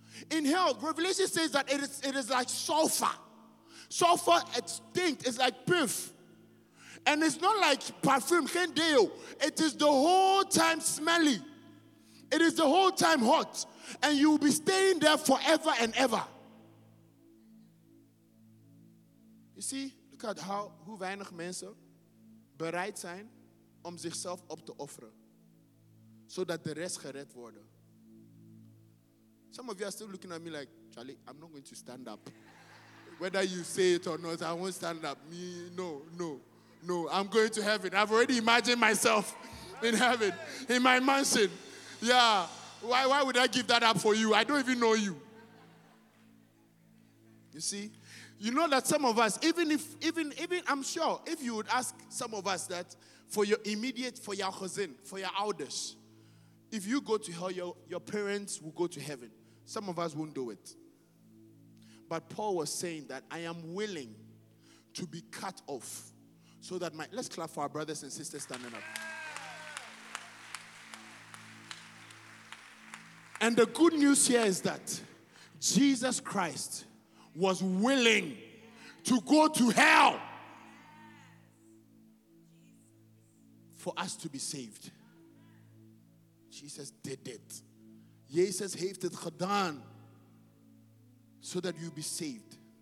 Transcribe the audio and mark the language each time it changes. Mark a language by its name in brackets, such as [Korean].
[English] In hell, Revelation says that it is like sulfur. Sulfur, it's stink. It's like piff. And it's not like perfume, Kendeo. It is the whole time smelly. It is the whole time hot. And you will be staying there forever and ever. You see, look at how, [Dutch] hoe weinig mensen bereid zijn om zichzelf op te offeren. Zodat de rest gered worden. [English] Some of you are still looking at me like, Charlie, I'm not going to stand up. Whether you say it or not, I won't stand up. Me, no, no. No, I'm going to heaven. I've already imagined myself in heaven, in my mansion. Yeah. Why would I give that up for you? I don't even know you. You see? You know that some of us, even if I'm sure, if you would ask some of us that for your immediate, for your cousin, for your elders, if you go to hell, your parents will go to heaven. Some of us won't do it. But Paul was saying that I am willing to be cut off. So that my, let's clap for our brothers and sisters standing up. Yeah. And the good news here is that Jesus Christ was willing to go to hell for us to be saved. Jesus did it. [Dutch] Jesus heeft het gedaan [English] so that you'll be saved.